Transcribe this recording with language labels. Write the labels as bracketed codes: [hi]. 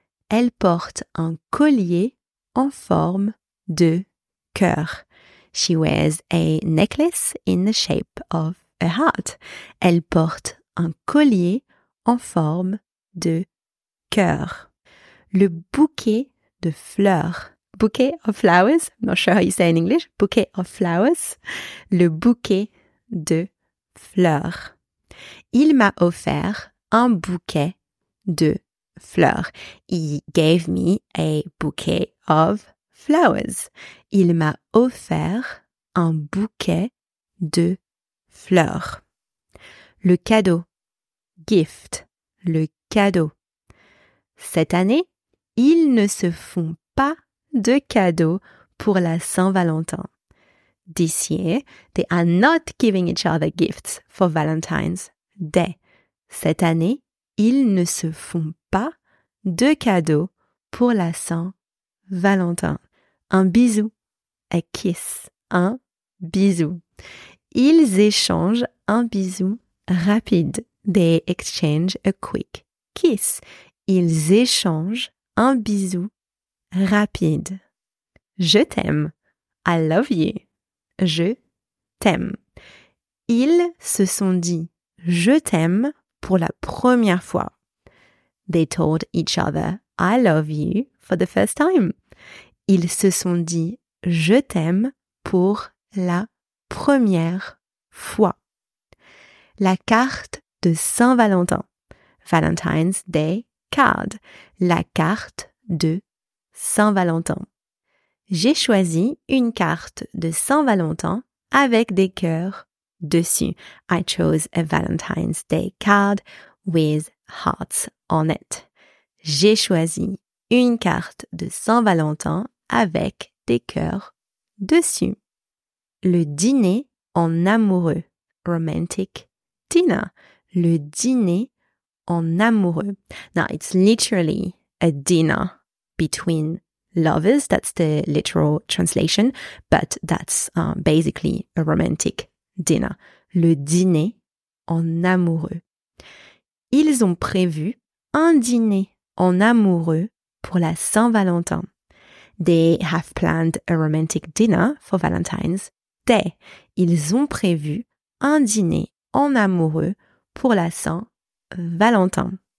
[fr] Elle porte un collier en forme de cœur. [en] She wears a necklace in the shape of a heart. [fr] Elle porte un collier en forme de cœur. Le bouquet de fleurs. Bouquet of flowers. [en] I'm not sure how you say in English. [fr] Bouquet of flowers. Le bouquet de fleurs. Il m'a offert un bouquet de fleurs. [en] He gave me a bouquet of flowers. [fr] Il m'a offert un bouquet de fleur. Le cadeau. Gift. Le cadeau. Cette année, ils ne se font pas de cadeaux pour la Saint-Valentin. [en] This year, they are not giving each other gifts for Valentine's Day. [fr] Cette année, ils ne se font pas de cadeaux pour la Saint-Valentin. Un bisou. A kiss. Un bisou. Ils échangent un bisou rapide. [en] They exchange a quick kiss. Ils échangent un bisou rapide. Je t'aime. I love you. [fr] Je t'aime. Ils se sont dit je t'aime pour la première fois. [en] They told each other I love you for the first time. [fr] Ils se sont dit je t'aime pour la première fois. La carte de Saint-Valentin. Valentine's Day card. La carte de Saint-Valentin. J'ai choisi une carte de Saint-Valentin avec des cœurs dessus. [en] I chose a Valentine's Day card with hearts on it. [fr] J'ai choisi une carte de Saint-Valentin avec des cœurs dessus. Le dîner en amoureux. Romantic dinner. [en] Le dîner en amoureux. Now, it's literally a dinner between lovers. That's the literal translation. But that's basically a romantic dinner. [fr] Le dîner en amoureux. Ils ont prévu un dîner en amoureux pour la Saint-Valentin. [en] They have planned a romantic dinner for Valentine's Day. [fr] Ils ont prévu un dîner en amoureux pour la Saint-Valentin.